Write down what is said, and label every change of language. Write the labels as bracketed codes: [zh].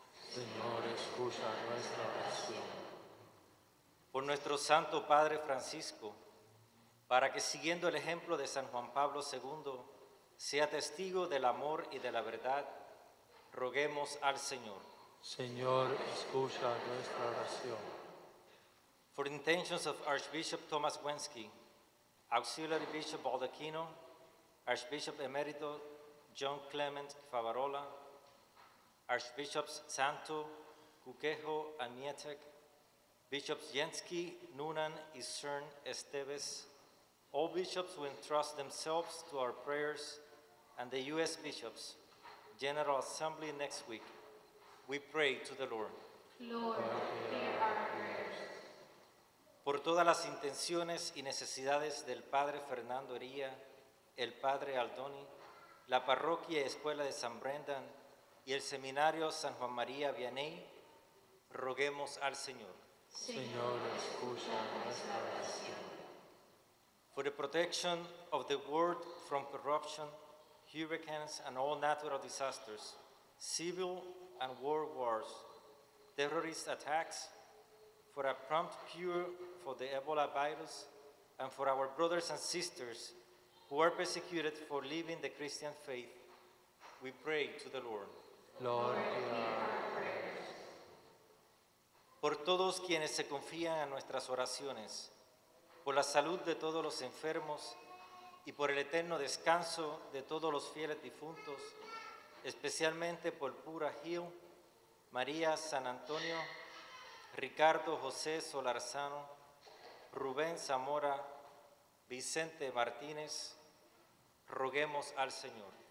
[es] Señor, escucha nuestra oración. Por nuestro Santo Padre Francisco, para que siguiendo el ejemplo de San Juan Pablo II, sea testigo del amor y de la verdad, roguemos al Señor. Señor, escucha nuestra oración. [en] For the intentions of Archbishop Thomas Wenski, Auxiliary Bishop Baldacchino, Archbishop Emerito John Clement Favarola, Archbishops Santo, Cuquejo and Mietek, Bishops Jensky, Nunan, y Cern Esteves, all bishops who entrust themselves to our prayers, and the U.S. Bishops, General Assembly next week, we pray to the Lord. Lord, hear our prayers. [es] Por todas las intenciones y necesidades del Padre Fernando Hería, el Padre Aldoni, la Parroquia y Escuela de San Brendan y el Seminario San Juan María Vianney, roguemos al Señor. Señor, escucha nuestra oración. [en] For the protection of the world from corruption, hurricanes and all natural disasters, civil and world wars, terrorist attacks, for a prompt cure for the Ebola virus, and for our brothers and sisters who are persecuted for living the Christian faith, we pray to the Lord. Lord, hear our prayers. [es] Por todos quienes se confían en nuestras oraciones, por la salud de todos los enfermos, y por el eterno descanso de todos los fieles difuntos, especialmente por Pura Gil, María San Antonio, Ricardo José Solarzano, Rubén Zamora, Vicente Martínez, roguemos al Señor.